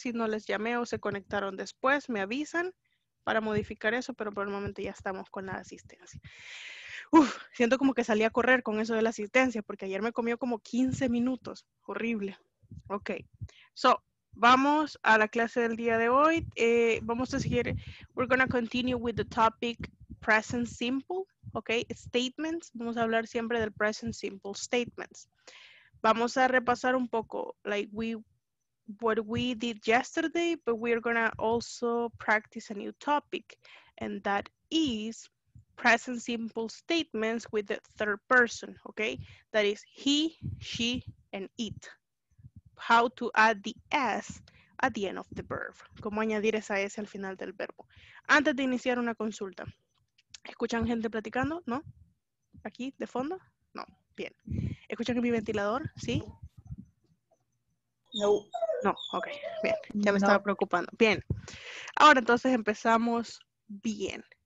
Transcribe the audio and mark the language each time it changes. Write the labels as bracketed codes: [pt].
[es] Si no les llamé o se conectaron después, me avisan para modificar eso, pero por el momento ya estamos con la asistencia. Uf, siento como que salí a correr con eso de la asistencia, porque ayer me comió como 15 minutos. Horrible. Ok. So, vamos a la clase del día de hoy. Vamos a seguir. [en] We're going to continue with the topic present simple. [es] Okay, statements. Vamos a hablar siempre del present simple statements. [en] Vamos a repasar un poco, like what we did yesterday, but we are going to also practice a new topic, and that is present simple statements with the third person, okay? That is he, she, and it. How to add the S at the end of the verb. [es] ¿Cómo añadir esa S al final del verbo? Antes de iniciar una consulta, ¿escuchan gente platicando? ¿No? ¿Aquí, de fondo? No. Bien. ¿Escuchan mi ventilador? ¿Sí? No. No, ok. Bien. Ya me no. Estaba preocupando. Bien. Ahora entonces empezamos bien.